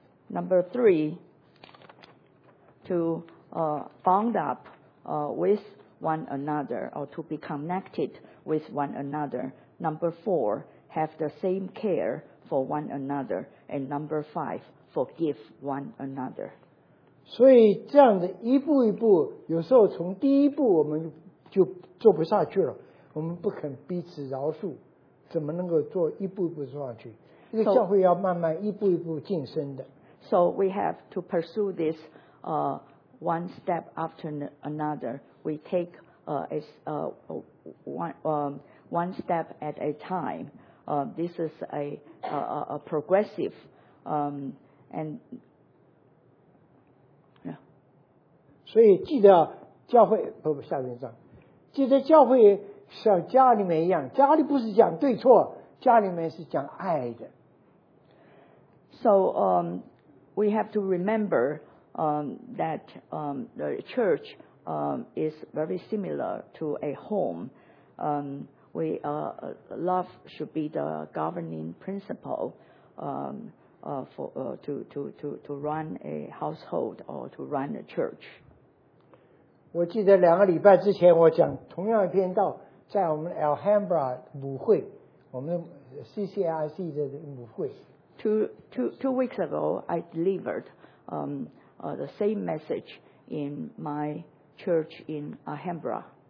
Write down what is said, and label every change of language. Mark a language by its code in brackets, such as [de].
[en] Number three, to bound up with one another or to be connected with one another. Number four, have the same care for one another. And number five, forgive one another. [zh] 所以这样子一步一步，有时候从第一步我们就做不下去了，我们不肯彼此饶恕，怎么能够做一步一步做下去？一个教会要慢慢一步一步晋升的。 [en] So we have to pursue this one step after another. We take one step at a time. This is a progressive. And [zh] 所以记得教会，不不，下面一章，记得教会像家里面一样，家里不是讲对错，家里面是讲爱的。 [en] So we have to remember that the church is very similar to a home. Love should be the governing principle to run a household or to run a church. [zh] 我记得两个礼拜之前我讲同样一篇道，在我们 Alhambra 母会，我们 CCIC 的母会。 [en] Two weeks ago, I delivered the same message in my church in Alhambra.